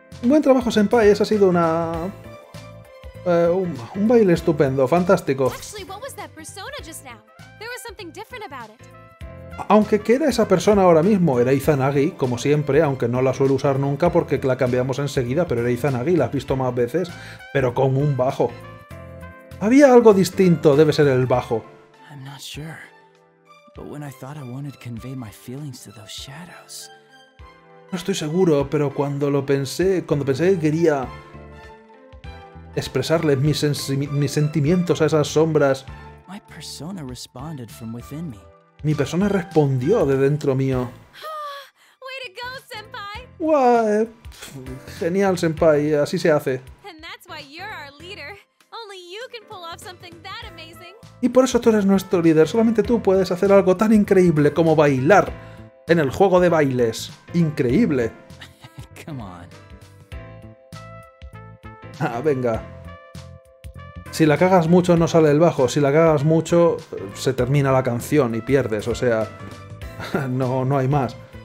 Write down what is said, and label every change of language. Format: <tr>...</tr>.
<es>Buen trabajo, senpai. Esa ha sido una... un baile estupendo, fantástico.</es> <en>Actually, what was that persona just now? There was something different about it.</en> <es>Aunque, ¿qué era esa persona ahora mismo? Era Izanagi, como siempre, aunque no la suelo usar nunca porque la cambiamos enseguida, pero era Izanagi, la has visto más veces, pero con un bajo. Había algo distinto, debe ser el bajo.</es> <en>I'm not sure, but when I thought I wanted to convey my feelings to those shadows...</en> <es>No estoy seguro, pero cuando lo pensé, cuando pensé que quería expresarles mis sentimientos a esas sombras,</es> <en>my persona responded from within me.</en> <es>Mi persona respondió de dentro mío.</es> <en>Way to go, senpai.</en> <es>Genial, senpai, así se hace.</es> <en>And that's why you're our leader. Only you can pull off something that amazing.</en> <es>Y por eso tú eres nuestro líder. Solamente tú puedes hacer algo tan increíble como bailar en el juego de bailes. Increíble.</es> <en>Come on.</en> <es>Ah, venga. Si la cagas mucho, no sale el bajo. Si la cagas mucho, se termina la canción y pierdes. O sea, no hay más.</es>